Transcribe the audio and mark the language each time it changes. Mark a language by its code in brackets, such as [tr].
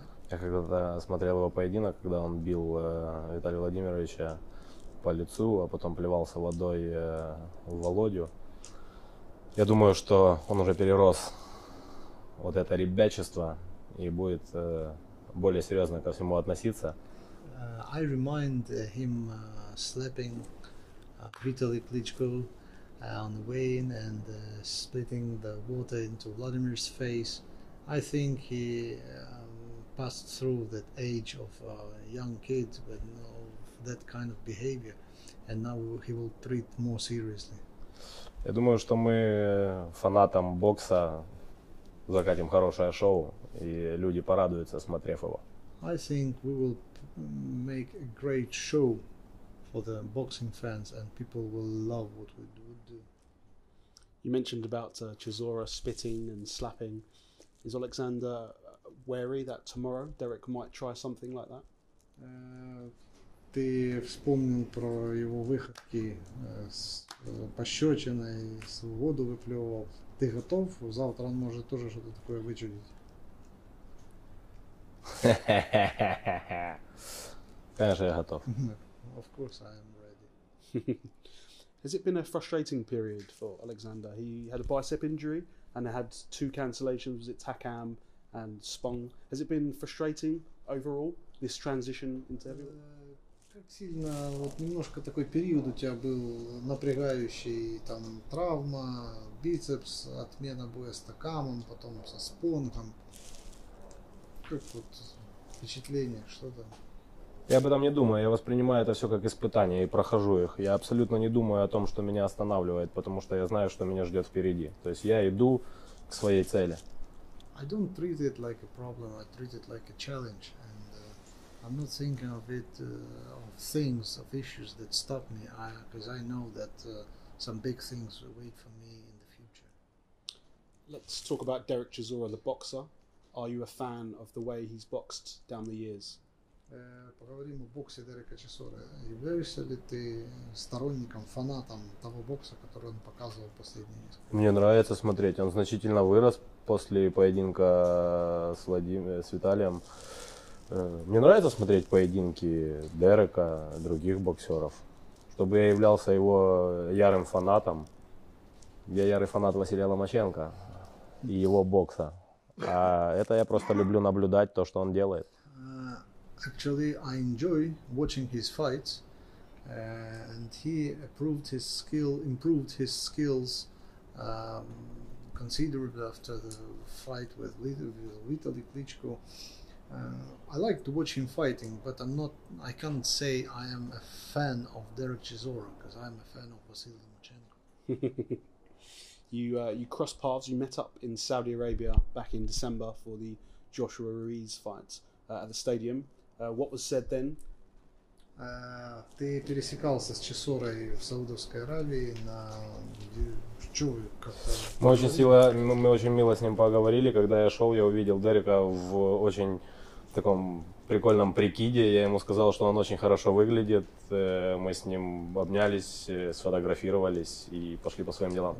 [ru] Я когда-то смотрел его поединок, когда он бил Виталия Владимировича по лицу, а потом плевался водой в Володю. Я думаю, что он уже перерос вот это ребячество и будет более серьезно ко всему относиться. [en] I remind him slapping Vitaly Klitschko on the weigh-in and splitting the water into Vladimir's face. I think he passed through that age of a young kid with that kind of behavior, and now he will treat more seriously. [ru] Я думаю, что мы фанатам бокса закатим хорошее шоу, и люди порадуются, смотрев его. [en] I think we will make a great show for the boxing fans, and people will love what we do. You mentioned about Chisora spitting and slapping. Is Alexander wary that tomorrow Derek might try something like that? [ru] Ты вспомнил про его выходки с пощечиной, с воду выплевывал. Ты готов? Завтра он может тоже что-то такое вычудить. Конечно, я готов. [en] Of course I am ready. Has it been a frustrating period for Alexander? He had a bicep injury and had two cancellations, was it Takam and Spong? Has it been frustrating overall, this transition into heavyweight? [ru] Как сильно, вот немножко такой период у тебя был напрягающий, там травма, бицепс, отмена боя с Такамом, потом со Спонгом. Как вот впечатление, что там? Я об этом не думаю, я воспринимаю это все как испытания и прохожу их. Я абсолютно не думаю о том, что меня останавливает, потому что я знаю, что меня ждет впереди. То есть я иду к своей цели. [en] I don't treat it like a problem, I treat it like a challenge. I'm not thinking of it, of things, of issues that stop me, because I know that some big things will wait for me in the future. Let's talk about Derek Chisora, the boxer. Are you a fan of the way he's boxed down the years? [ru] Поговорим о боксе Дерека Чисора. Являешься ли ты сторонником, фанатом того бокса, который он показывал последние несколько? Мне нравится смотреть. Он значительно вырос после поединка с Виталием. Мне нравится смотреть поединки Дерека, других боксеров. Чтобы я являлся его ярым фанатом. Я ярый фанат Василия Ломаченко и его бокса. А это я просто люблю наблюдать то, что он делает. [en] actually I enjoy watching his fights, and he improved his skills considerably after the fight with Vitaly Klitschko. I like to watch him fighting, but I can't say I am a fan of Derek Chisora, because I am a fan of Vasily Lomachenko. You crossed paths, you met up in Saudi Arabia back in December for the Joshua Ruiz fight at the stadium. What was said then? [ru] Ты пересекался с Чесорой в Саудовской Аравии на Мы очень мило с ним поговорили. Когда я шел, я увидел Дерека в очень таком прикольном прикиде. Я ему сказал, что он очень хорошо выглядит. Мы с ним обнялись, сфотографировались и пошли по своим делам.